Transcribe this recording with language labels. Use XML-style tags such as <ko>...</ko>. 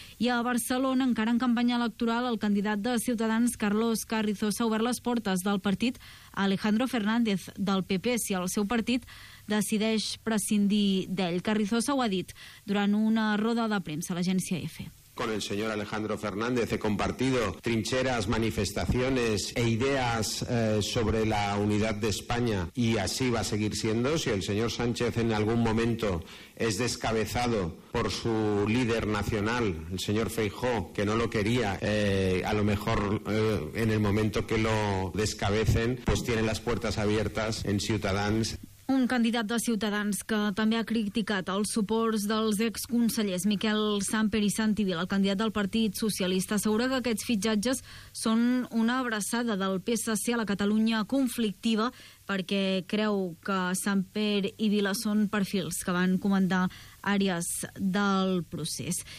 <ca>I a Barcelona, encara en campanya electoral, el candidat de Ciutadans, Carlos Carrizosa, ha obert les portes del partit a Alejandro Fernández del PP, si el seu partit decideix prescindir d'ell. Carrizosa ho ha dit durant una roda de premsa a l'agència EFE.</ca> <es>Con el señor Alejandro Fernández he compartido trincheras, manifestaciones e ideas sobre la unidad de España y así va a seguir siendo. Si el señor Sánchez en algún momento es descabezado por su líder nacional, el señor Feijóo, que no lo quería, a lo mejor en el momento que lo descabecen, pues tiene las puertas abiertas en Ciutadans.</es> <ca>Un candidat de Ciutadans que també ha criticat els suports dels exconsellers Miquel Samper i Santi Vila, el candidat del Partit Socialista, assegura que aquests fitxatges són una abraçada del PSC a la Catalunya conflictiva perquè creu que Samper i Vila són perfils que van comandar àrees del procés.</ca>